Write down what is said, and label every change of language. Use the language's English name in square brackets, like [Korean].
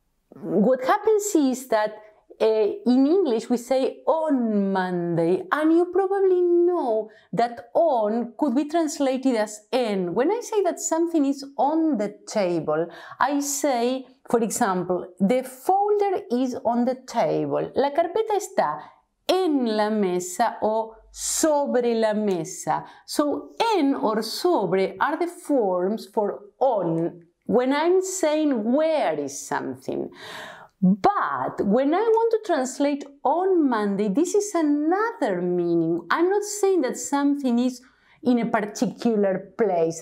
[English] What happens is that in English we say on Monday, and you probably know that on could be translated as en. When I say that something is on the table, I say, for example, the folder is on the table. [Spanish] La carpeta está en la mesa o sobre la mesa. [English] So en or sobre are the forms for on when I'm saying where is something. But when I want to translate on Monday, this is another meaning. I'm not saying that something is in a particular place.